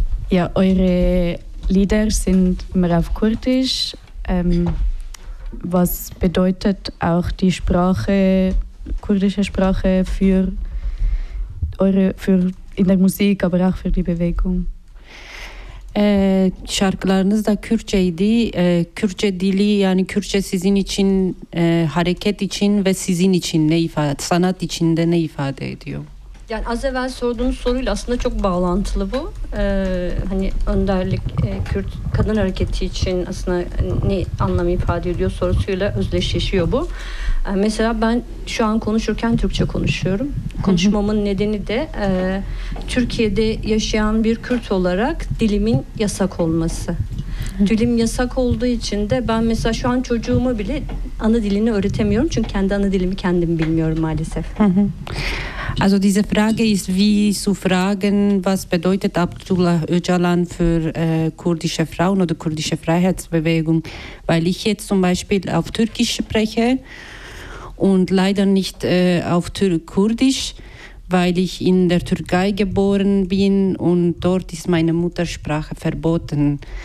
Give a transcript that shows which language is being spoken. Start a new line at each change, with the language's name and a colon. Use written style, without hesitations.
German: Ja, eure Lieder sind immer auf Kurdisch. Was bedeutet auch die Sprache, kurdische Sprache für eure, für in der Musik, aber auch für die Bewegung?
Turkish: Şarkılarınız da Kürtçeydi. Kürtçe dili, yani Kürtçe sizin için hareket için ve sizin için ne ifade, sanat içinde ne ifade ediyor? Yani az evvel sorduğunuz soruyla aslında çok bağlantılı bu. Hani önderlik Kürt kadın hareketi için aslında ne anlamı ifade ediyor sorusuyla özdeşleşiyor bu. Mesela ben şu an konuşurken Türkçe konuşuyorum. Konuşmamın nedeni de Türkiye'de yaşayan bir Kürt olarak dilimin yasak olması. Dilim yasak olduğu için de ben mesela şu an çocuğuma bile ana dilini öğretemiyorum. Çünkü kendi ana dilimi kendim bilmiyorum maalesef.
German: Also diese Frage ist wie zu fragen, was bedeutet Abdullah Öcalan für kurdische Frauen oder kurdische Freiheitsbewegung, weil ich jetzt zum Beispiel auf Türkisch spreche und leider nicht auf Kurdisch, weil ich in der Türkei geboren bin und dort ist meine Muttersprache verboten.